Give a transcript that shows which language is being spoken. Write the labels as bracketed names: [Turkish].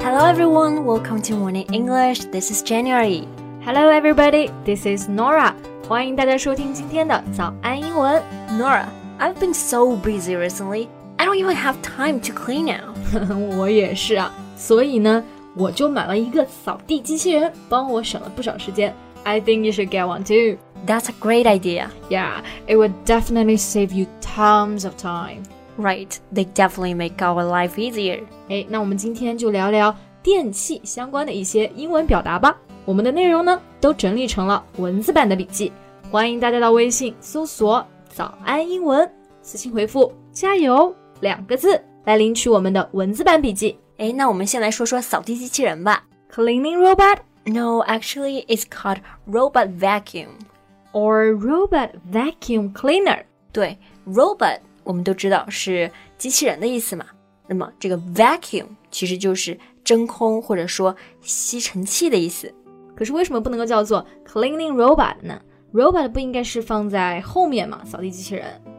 [English] everyone, welcome to Morning English. This is January. Hello everybody, this is Nora. [Chinese] 欢迎大家收听今天的早安英文。 [English] Nora, I've been so busy recently, I don't even have time to clean now. [Chinese] 我也是啊，所以呢，我就买了一个扫地机器人，帮我省了不少时间。 [English] I think you should get one too. That's a great idea. Yeah, it would definitely save you tons of time. Right, they definitely make our life easier. [Chinese] 那我们今天就聊聊电器相关的一些英文表达吧。我们的内容呢，都整理成了文字版的笔记。欢迎大家到微信搜索早安英文，私信回复加油两个字，来领取我们的文字版笔记。那我们先来说说扫地机器人吧。 [English] Cleaning robot? No, actually, it's called robot vacuum. Or robot vacuum cleaner. [Chinese] 对, robot, 我们都知道是机器人的意思嘛。那么这个 vacuum 其实就是真空或者说吸尘器的意思。可是为什么不能够叫做 cleaning robot 呢?Robot 不应该是放在后面嘛，扫地机器人。